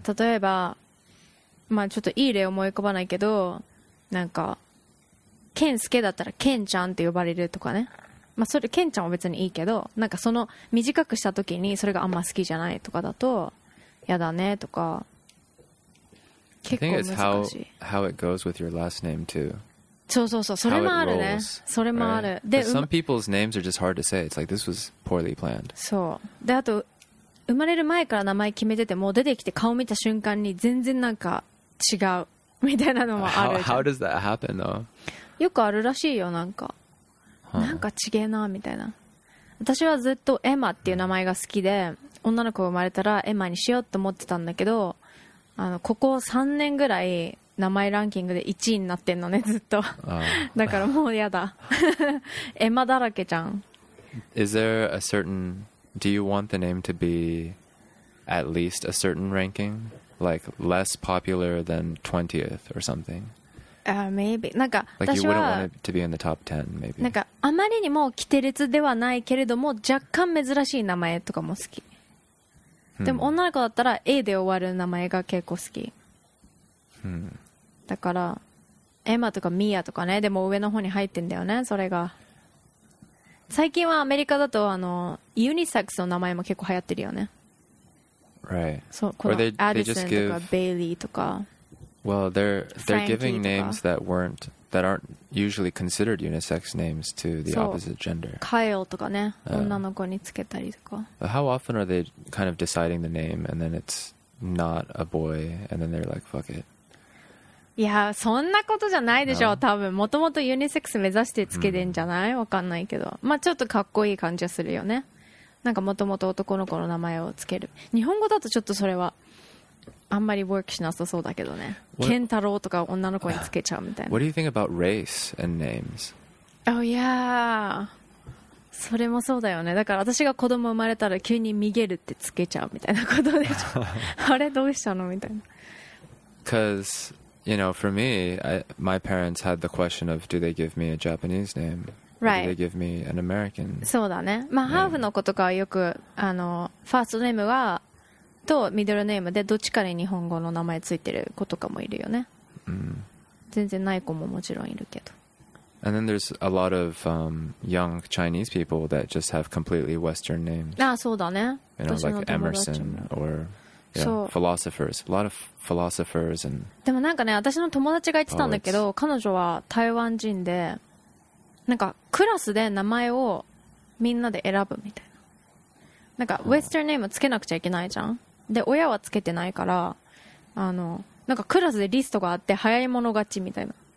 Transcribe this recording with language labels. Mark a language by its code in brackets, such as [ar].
[ja] から例えば、まあ、ちょっといい例思い浮かばないけど、なんか、ケンスケだったらケンちゃんって呼ばれるとかね。まあそれケンちゃんは別にいいけど、なんかその短くした時にそれがあんま好きじゃないとかだと嫌だねとか。結構難しい。 [en] How it goes with your last name too. [ja] そうそうそう、それもあるね。 [en] Rolls, [ja] それもある。 [en] Right? で、some people's names are just hard to say. It's like this was poorly planned. [ja] そう。であと生まれる前から名前決めてても出てきて顔見た瞬間に全然なんか違うみたいなのもあるじゃん。 [en] How does that happen though? [ja] よくあるらしいよ、なんか、なんか違えなみたいな。私はずっとエマっていう名前が好きで、女の子が生まれたらエマにしようと思ってたんだけど、あのここ3年ぐらい名前ランキングで1位になってんのね、ずっと。だからもうやだ。エマだらけじゃん。 [en] Is there a certain, do you want the name to be at least a certain ranking? Like less popular than 20th or something? Maybe. なんか like, [ja] 私は [en] to be in the top 10, maybe. [ja] なんかあまりにも規定列ではないけれども若干珍しい名前とかも好き、hmm. でも女の子だったら A で終わる名前が結構好き、 hmm. だからエマとかミアとかね、でも上の方に入ってんだよね。それが最近はアメリカだとあのユニセックスの名前も結構流行ってるよね。 [en] Right. [ja] そう、このアディソンとかベイリーとか、 [en] Well, they're giving names that weren't that aren't usually considered unisex names to the opposite gender. [ja] Kyle とかね、女の子につけたりとか。 [en] But how often are they kind of deciding the name and then it's not a boy and then they're like, fuck it? [ja] いや、そんなことじゃないでしょ、no? 多分。もともとユニセックス目指してつけてんじゃない、mm. わかんないけど。まあちょっとかっこいい感じはするよね。なんかもともと男の子の名前をつける。日本語だとちょっとそれは。あんまりワークしなさそうだけどね。ケンタロウとか女の子につけちゃうみたいな。 [en] What do you think about race and names? Oh yeah. [ja] それもそうだよね。だから私が子供生まれたら急にミゲルってつけちゃうみたいなことでしょ。あれどうしたのみたいな。 [en] Because, you know, for me, my parents had the question of do they give me a Japanese name? Right. Do they give me an American? [ja] そうだね。まあ、ハーフの子とかはよく、あの、ファーストネームはとミドルネームでどっちかに日本語の名前ついてる子とかもいるよね。全然ない子ももちろんいるけど。 [en] And then there's a lot of young Chinese people that just have completely Western names. [ja] ああ、そうだね。 [en] You know, like Emerson or you know, philosophers. A lot of philosophers and... [ja] でもなんかね、私の友達が言ってたんだけど、彼女は台湾人で、なんかクラスで名前をみんなで選ぶみたいな。なんか Western name つけなくちゃいけないじゃん。で、親はつけてないから、あの、なんかクラスでリストがあって早い者勝ちみたいな。